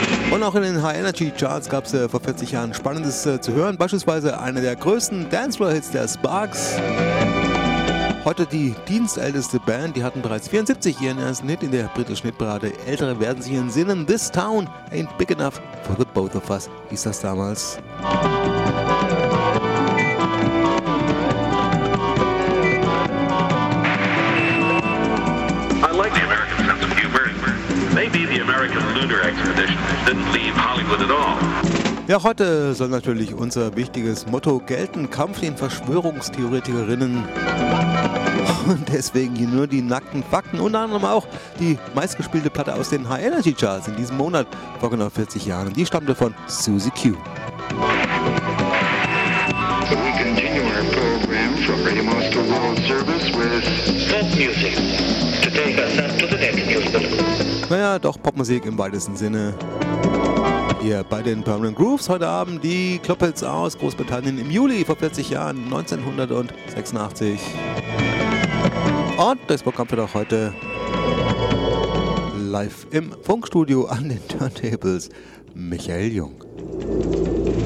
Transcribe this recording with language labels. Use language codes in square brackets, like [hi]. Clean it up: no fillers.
[de] Und auch in den High-Energy-Charts gab es vor 40 Jahren Spannendes zu hören, beispielsweise eine der größten Dancefloor-Hits der Sparks. Heute die dienstälteste Band, die hatten bereits 74 ihren ersten Hit in der britischen Hitparade. Ältere werden sich entsinnen. [en] This town ain't big enough for the both of us, [de] hieß das damals. [en] I like the American sense of humor. Maybe the American lunar expedition didn't leave Hollywood at all. [de] Ja, heute soll natürlich unser wichtiges Motto gelten, Kampf den Verschwörungstheoretikerinnen. Und deswegen hier nur die nackten Fakten, unter anderem auch die meistgespielte Platte aus den High Energy Charts in diesem Monat vor genau 40 Jahren. Die stammte von Suzy Q. [en] So we continue our program from Radio Master World Service with pop music to take us up to the next musical. [de] Naja, doch Popmusik im weitesten Sinne. Hier bei den Permanent Grooves heute Abend die Clubhits aus Großbritannien im Juli vor 40 Jahren, 1986. Und das Programm wird auch heute live im Funkstudio an den Turntables Michael Jung.